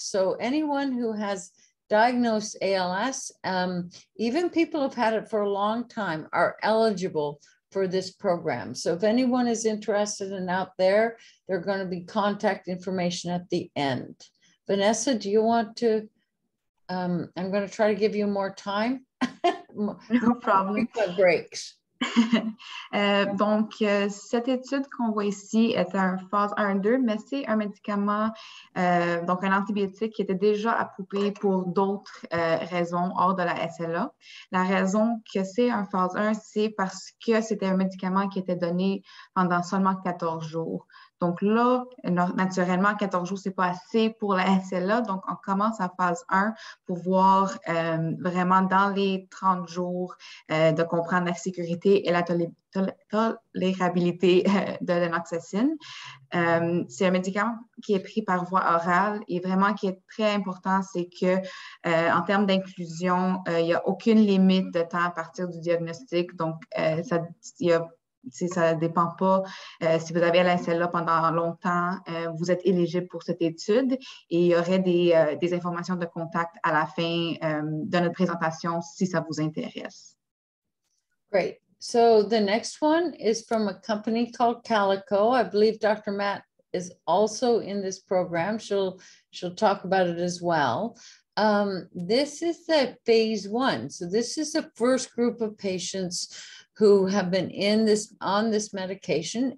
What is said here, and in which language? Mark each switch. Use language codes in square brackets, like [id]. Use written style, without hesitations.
[en] So anyone who has diagnosed ALS, even people who've had it for a long time are eligible for this program. So if anyone is interested and out there, there are going to be contact information at the end. Vanessa, do you want to, I'm going to try to give you more time. No problem. Breaks. [fr] Donc, cette étude qu'on voit ici est en phase 1-2, mais c'est un médicament, donc un antibiotique qui était déjà approuvé pour d'autres raisons hors de la SLA. La raison que c'est en phase 1, c'est parce que c'était un médicament qui était donné pendant seulement 14 jours. Donc là, naturellement, 14 jours, ce n'est pas assez pour la SLA. Donc, on commence à phase 1 pour voir vraiment dans les 30 jours de comprendre la sécurité et la tolérabilité de l'enoxacine. C'est un médicament qui est pris par voie orale et vraiment qui est très important, c'est que en termes d'inclusion, il n'y a aucune limite de temps à partir du diagnostic. Donc, ça ne dépend pas si vous avez la SLA pendant longtemps, vous êtes éligible pour cette étude et il y aurait des informations de contact à la fin de notre présentation si ça vous intéresse. [en] Great. So the next one is from a company called Calico. I believe Dr. Matt is also in this program. She'll talk about it as well. This is the phase one. So this is the first group of patients who have been in this on this medication.